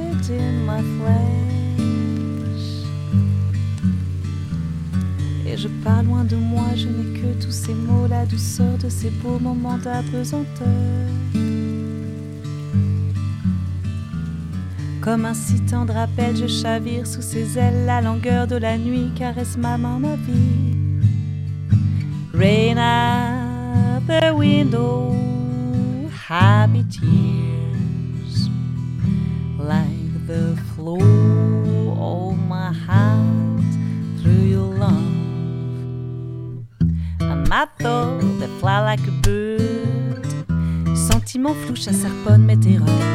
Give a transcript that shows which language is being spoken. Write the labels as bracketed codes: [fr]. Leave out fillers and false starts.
[en] In my flesh, [fr] et je pars loin de moi, je n'ai que tous ces mots, la douceur de ces beaux moments d'apesanteur. Comme un si tendre appel, je chavire sous ses ailes, la langueur de la nuit caresse ma main, ma vie. [en] Rain at the window, happy tears, light the flow of my heart through your love. I'm a thought that fly like a bird. [fr] Sentiment flou, ça serpente mes terreurs.